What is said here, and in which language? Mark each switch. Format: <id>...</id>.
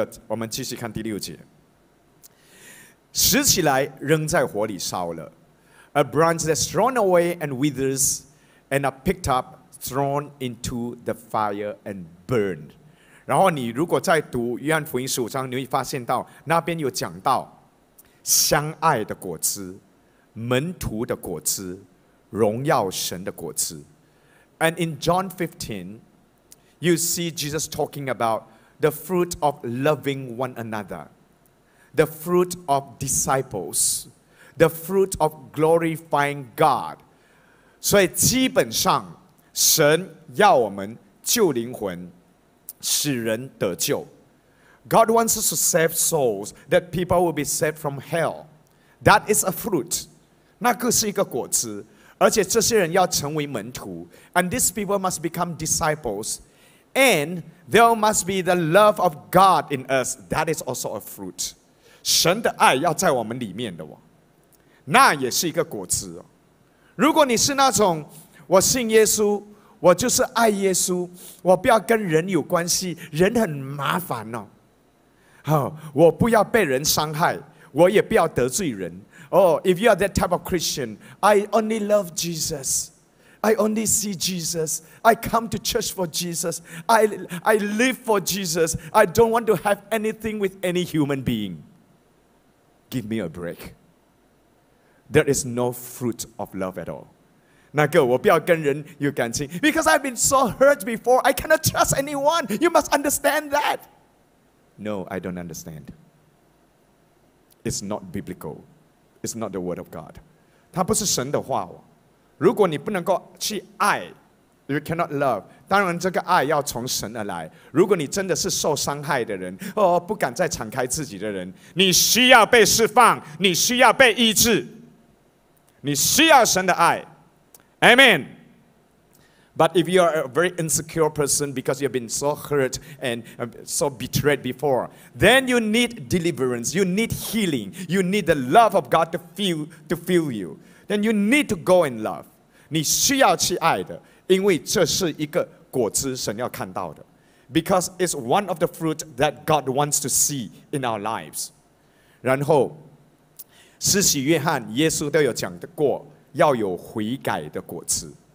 <zh>我们继续看第六节，拾起来扔在火里烧了。</zh> <en>A branch that's thrown away and withers and are picked up, thrown into the fire and burned.</en> <zh>然后你如果在读约翰福音十五章，你会发现到那边有讲到相爱的果子、门徒的果子、荣耀神的果子。</zh> <en>And in John 15, you see Jesus talking about the fruit of loving one another. The fruit of disciples, the fruit of glorifying God.</en> <zh>所以基本上神要我们救灵魂，使人得救。</zh> <en>God wants us to save souls, that people will be saved from hell. That is a fruit.</en> <zh>那个是一个果子，而且这些人要成为门徒。</zh> <en>And these people must become disciples. And there must be the love of God in us. That is also a fruit.</en> <zh>神的爱要在我们里面的，那也是一个果子。如果你是那种我信耶稣，我就是爱耶稣，我不要跟人有关系，人很麻烦哦，我不要被人伤害，我也不要得罪人。</zh> <en>Oh, if you are that type of Christian, I only love Jesus. I only see Jesus. I come to church for Jesus. I live for Jesus. I don't want to have anything with any human being. Give me a break. There is no fruit of love at all.</en> <zh>那个我不要跟人有感情</zh> <en>because I've been so hurt before. I cannot trust anyone. You must understand that. No, I don't understand. It's not biblical. It's not the word of God.</en> <zh>它不是神的话。如果你不能够去爱，</zh> <en>you cannot love.</en> <zh>当然这个爱要从神而来。如果你真的是受伤害的人，哦，不敢再敞开自己的人，你需要被释放，你需要被医治，你需要神的爱。</zh> <en>Amen. But if you are a very insecure person because you have been so hurt and so betrayed before, then you need deliverance, you need healing, you need the love of God to fill you, then you need to go in love.</en> <zh>你需要去爱的，因为这是一个果子，神要看到的。</zh> <en>Because it's one of the fruit that God wants to see in our lives.</en> <zh>然后施洗约翰耶稣都有讲过要有悔改的果子。</zh>